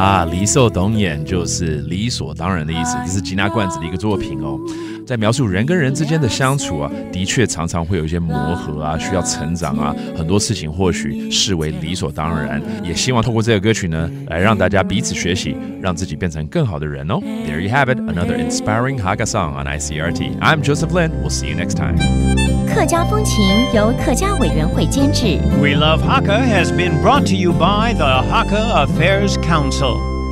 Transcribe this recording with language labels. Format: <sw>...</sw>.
<zh>理所当然就是理所当然的意思，这是吉娜罐子的一个作品哦。在描述人跟人之间的相处啊，的确常常会有一些磨合啊，需要成长啊，很多事情或许视为理所当然。也希望透过这个歌曲呢，来让大家彼此学习，让自己变成更好的人哦。</zh> <en>There you have it, another inspiring Haga song on ICRT. I'm Joseph Lin. We'll see you next time.</en> <zh>客家风情由客家委员会监制。</zh> <en>We Love Haka has been brought to you by the Haka Affairs Council.</en>